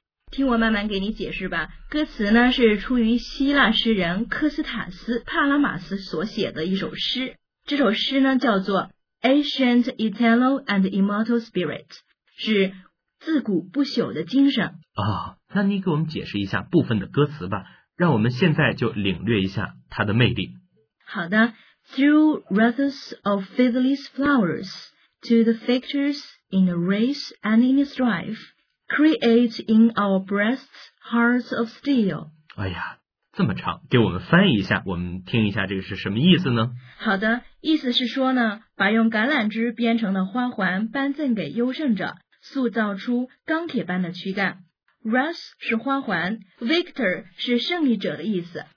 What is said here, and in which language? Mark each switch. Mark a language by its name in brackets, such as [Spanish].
[Chinese] 听我慢慢给你解释吧。歌词呢是出于希腊诗人科斯塔斯·帕拉马斯所写的一首诗，这首诗呢叫做 Ancient Eternal and Immortal Spirit， 是自古不朽的精神。哦，那你给我们解释一下部分的歌词吧，让我们现在就领略一下它的魅力。好的。 [English] Through wreaths of fiddly's flowers to the victors in a race and in a strife, create in our breasts hearts of steel。 [Chinese] 哎呀，这么长，给我们翻译一下，我们听一下这个是什么意思呢？好的，意思是说呢，把用橄榄枝编成的花环颁赠给优胜者，塑造出钢铁般的躯干。 Rus 是花环， Victor 是胜利者的意思。